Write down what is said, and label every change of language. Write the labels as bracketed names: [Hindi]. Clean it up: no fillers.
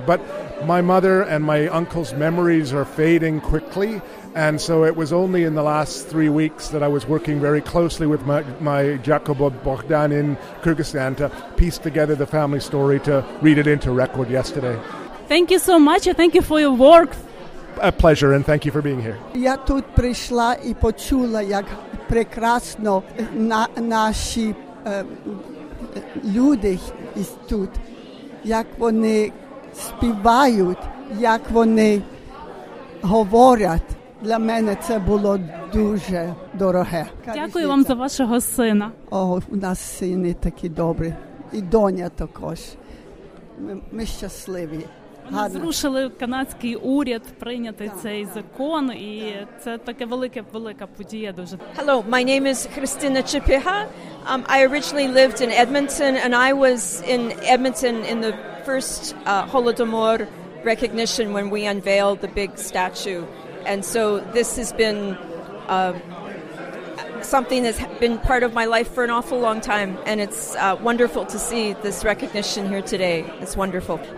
[English] But my mother and my uncle's memories are fading quickly, and so it was only in the last 3 weeks that I was working very closely with my Jakob Bogdan in Kyrgyzstan to piece together the family story to read it into record yesterday. Thank you so much. Thank you for your work. A pleasure, and thank you for being here. [Ukrainian] Я тут прийшла і почула, як прекрасно наші люди тут, як вони співають, як вони говорять. Для мене це було дуже дороге. Дякую вам за вашого сина. О, у нас сини такі добрі. І доня також. Ми щасливі. Вони зрушили канадський уряд прийняти цей закон. І це таке велика подія дуже. [English] Hello, my name is Christina Chipiha. I originally lived in Edmonton, and I was in Edmonton in the first Holodomor recognition when we unveiled the big statue. And so this has been something that's been part of my life for an awful long time, and it's wonderful to see this recognition here today. It's wonderful.